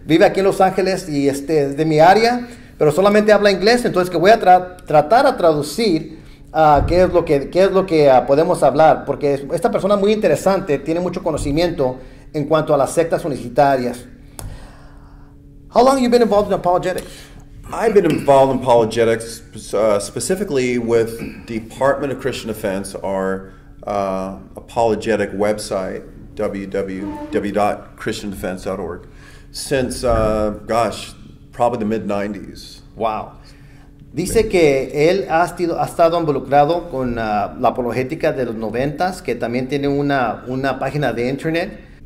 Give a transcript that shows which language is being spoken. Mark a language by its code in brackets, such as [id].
[es] Vive aquí en Los Ángeles y este es de mi área, pero solamente habla inglés, entonces que voy a tratar a traducir qué es lo que podemos hablar, porque esta persona muy interesante, tiene mucho conocimiento en cuanto a las sectas unicitarias. [en] How long have you been involved in apologetics? I've been involved in apologetics specifically with Department of Christian Defense, our apologetic website, www.christiandefense.org, since, probably the mid-90s. Wow. [es] Dice que él ha estado involucrado con la apologética de los noventas, que también tiene una página de internet.